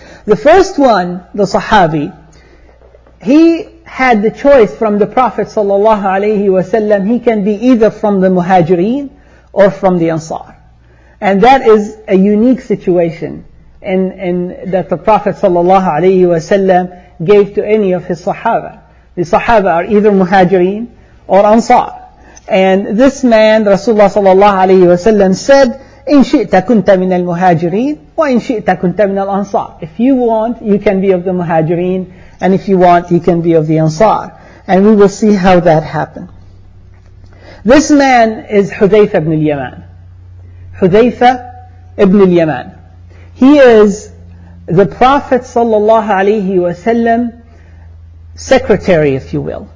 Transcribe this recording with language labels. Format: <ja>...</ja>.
<en>The first one, the Sahabi, he had the choice from the Prophet sallallahu alayhi wa sallam, he can be either from the Muhajireen or from the Ansar. And that is a unique situation in that the Prophet sallallahu alayhi wa sallam gave to any of his Sahaba. The Sahaba are either Muhajireen or Ansar. And this man,</en> <ar>Rasulullah sallallahu alayhi wa sallam, said, إِن شِئْتَ كُنْتَ مِنَ الْمُهَاجِرِينَ وَإِن شِئْتَ كُنْتَ مِنَ الْأَنصَارِ.</ar> <en>If you want, you can be of the Muhajireen. And if you want, he can be of the Ansar. And we will see how that happened. This man is Hudhayfa ibn al-Yaman. Hudhayfa ibn al-Yaman. He is the Prophet sallallahu alayhi wa sallam secretary, if you will.</en>